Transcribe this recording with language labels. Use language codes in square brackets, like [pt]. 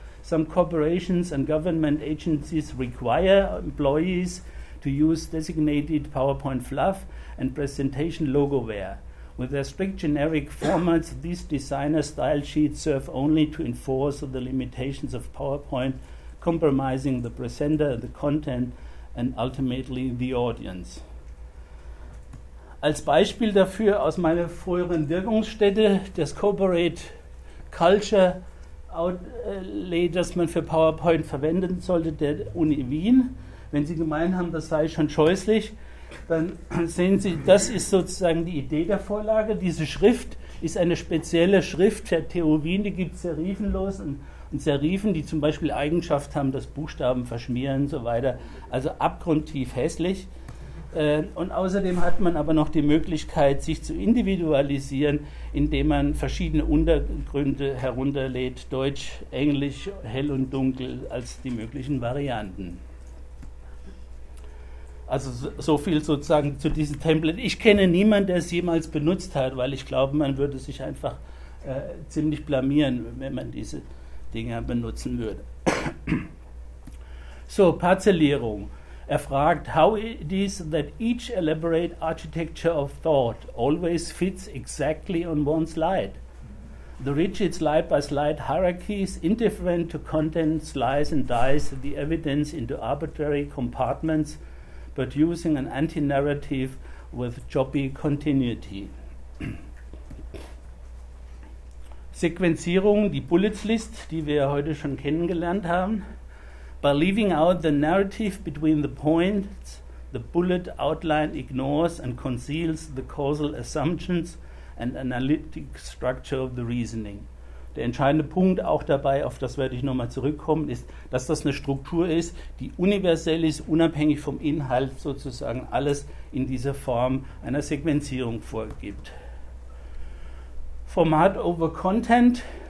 [en] Some corporations and government agencies require employees to use designated PowerPoint fluff and presentation logo wear. With their strict generic formats, these designer style sheets serve only to enforce the limitations of PowerPoint, compromising the presenter, the content and ultimately the audience. [de] Als Beispiel dafür aus meiner früheren Wirkungsstätte, das Corporate Culture Outlay, das man für PowerPoint verwenden sollte, der Uni Wien. Wenn Sie gemeint haben, das sei schon scheußlich, dann sehen Sie, das ist sozusagen die Idee der Vorlage. Diese Schrift ist eine spezielle Schrift der TU Wien, die gibt serifenlos und Serifen, die zum Beispiel Eigenschaft haben, dass Buchstaben verschmieren und so weiter. Also abgrundtief hässlich. Und außerdem hat man aber noch die Möglichkeit, sich zu individualisieren, indem man verschiedene Untergründe herunterlädt, Deutsch, Englisch, hell und dunkel als die möglichen Varianten. Also so viel sozusagen zu diesem Template. Ich kenne niemanden, der es jemals benutzt hat, weil ich glaube, man würde sich einfach ziemlich blamieren, wenn man diese Dinger benutzen würde. So, Parzellierung. Er fragt, [en] how it is that each elaborate architecture of thought always fits exactly on one slide? The rigid slide-by-slide hierarchies, indifferent to content, slice and dice the evidence into arbitrary compartments, producing an anti-narrative with choppy continuity. [de] Sequenzierung, die Bullets List, die wir heute schon kennengelernt haben. [en] By leaving out the narrative between the points, the bullet outline ignores and conceals the causal assumptions and analytic structure of the reasoning. [de] Der entscheidende Punkt auch dabei, auf das werde ich nochmal zurückkommen, ist, dass das eine Struktur ist, die universell ist, unabhängig vom Inhalt sozusagen alles in dieser Form einer Sequenzierung vorgibt. [en] Format over content.